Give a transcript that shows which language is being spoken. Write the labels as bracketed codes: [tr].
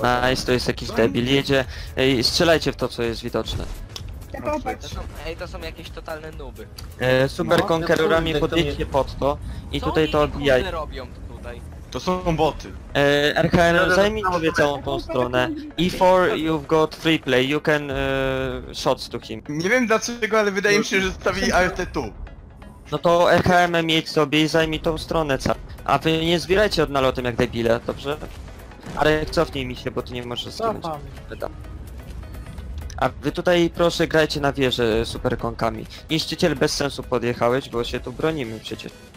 [pl] Nice, to jest jakiś debil, jedzie. Ej, strzelajcie w to, co jest widoczne. Ej, to są jakieś totalne nuby. Super Conquerorami, podjedźcie pod to. I tutaj to odbijaj. To są boty. RKN, zajmij sobie całą tą stronę. [en] E4, you've got free play, you can shots to him. [pl] Nie wiem dlaczego, ale wydaje mi się, że zostawili ART tu. No to RKM mieć sobie i zajmij tą stronę, co? A wy nie zbierajcie od nalotem jak debile, dobrze? Ale cofnij mi się, bo ty nie możesz skinąć. A wy tutaj proszę grajcie na wieżę superkonkami. Niszczyciel, bez sensu podjechałeś, bo się tu bronimy przecież.